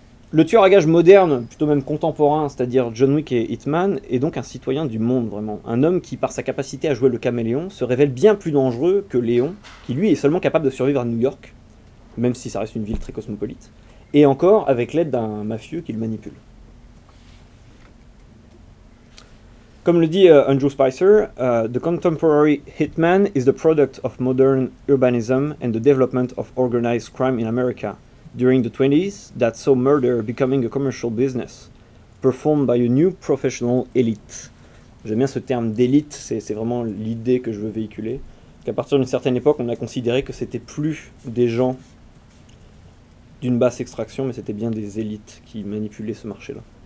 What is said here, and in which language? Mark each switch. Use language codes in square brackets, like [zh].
[fr] Le tueur à gages moderne, plutôt même contemporain, c'est-à-dire John Wick et Hitman, est donc un citoyen du monde, vraiment. Un homme qui, par sa capacité à jouer le caméléon, se révèle bien plus dangereux que Léon, qui lui est seulement capable de survivre à New York, même si ça reste une ville très cosmopolite, et encore avec l'aide d'un mafieux qui le manipule. Comme le dit Andrew Spicer, [en] « The contemporary hitman is the product of modern urbanism and the development of organized crime in America. » During the 20s, that saw murder becoming a commercial business, performed by a new professional elite. [fr] J'aime bien ce terme d'élite, c'est vraiment l'idée que je veux véhiculer. Qu'à partir d'une certaine époque, on a considéré que c'était plus des gens d'une basse extraction, mais c'était bien des élites qui manipulaient ce marché-là.